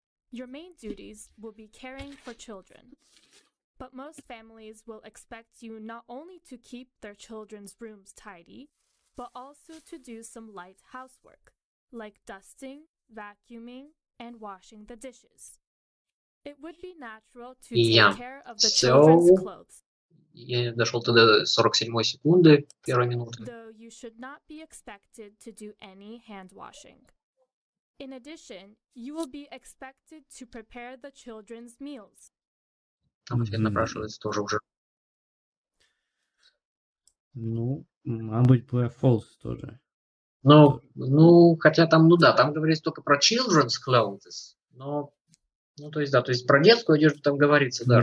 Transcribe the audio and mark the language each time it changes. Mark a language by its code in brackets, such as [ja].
[en] Your main duties will be caring for children. But most families will expect you not only to keep their children's rooms tidy, but also to do some light housework, like dusting, vacuuming, and washing the dishes. It would be natural to take yeah. care of the children's clothes. [ru] Я дошел до 47 секунды, первой минуты. [en] Though you should not be expected to do any hand washing. In addition, you will be expected to prepare the children's meals. [ru] Там ответ напрашивается тоже уже. Ну, может быть, [en] play false [ru] тоже. Ну, хотя там, ну да, там говорится только про [en] children's clothes, [ru] но... Ну, то есть, да, то есть про детскую одежду там говорится, да.